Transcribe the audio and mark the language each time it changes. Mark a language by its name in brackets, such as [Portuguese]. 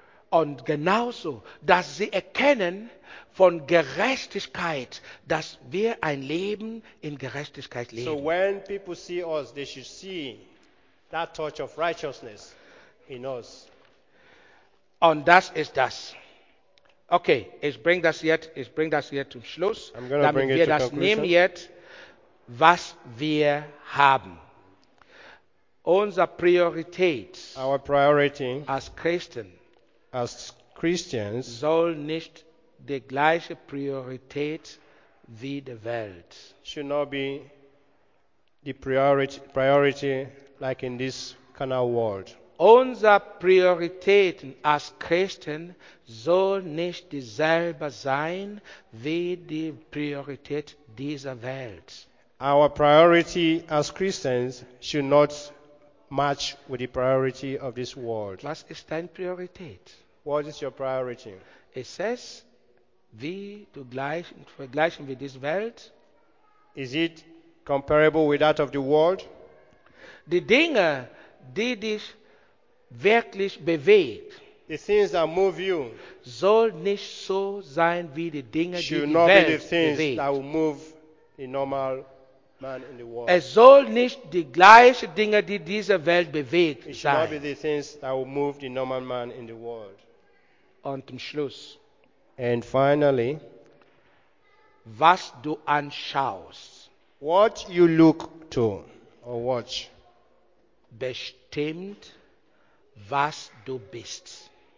[German] Und genauso, dass sie erkennen von Gerechtigkeit, dass wir ein Leben in Gerechtigkeit leben. [English] So when people see us, they should see that touch of righteousness in us. [German] Und das ist das. Okay, ich bring das jetzt zum Schluss. Damit wir das nehmen jetzt, was wir haben. Unsere Priorität. [English] Our priority. As Christians. [German] Soll nicht die gleiche Priorität wie die Welt. [English] Should not be the priority like in this kind of world. [German] Unser Prioritäten als Christen soll nicht dieselbe sein wie die Priorität dieser Welt. [English] Our priority as Christians should not match with the priority of this world. [German] Was ist dein Priorität? [English] What is your priority? [German] Es says, wie du vergleichen wie diese Welt. [English] Is it comparable with that of the world? [German] Die Dinge, die dich wirklich bewegt. [English] The things that move you [German] soll nicht so sein wie die Dinge, die die Welt bewegt. [English] Should not be the things that will move a normal man in the world. [German] Es soll nicht die gleichen Dinge, die diese Welt bewegt, sein. [English] It should not be the things that will move the normal man in the world. [German] Und zum Schluss. [English] And finally, [German] was du anschaust. [English] What you look to or watch. [German] Bestimmt was du bist.